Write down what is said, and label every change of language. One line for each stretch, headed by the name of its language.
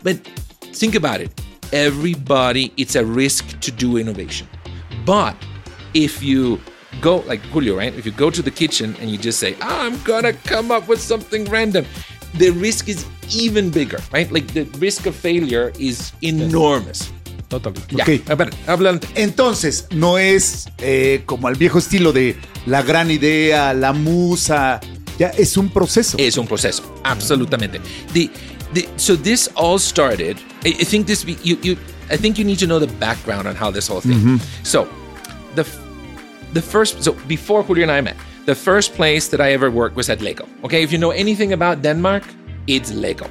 English: But think about it. Everybody, it's a risk to do innovation. But if you go, like Julio, right? If you go to the kitchen and you just say, I'm going to come up with something random, the risk is even bigger, right? Like the risk of failure is enormous. Totally.
Spanish: Okay. Yeah. A ver, hablando. Entonces, no es como al viejo estilo de la gran idea, la musa. Ya, es un proceso. Es un proceso, absolutamente.
English: So this all started, I think you need to know the background on how this whole thing. Mm-hmm. So the first, before Julio and I met, the first place that I ever worked was at Lego. Okay, if you know anything about Denmark, it's Lego.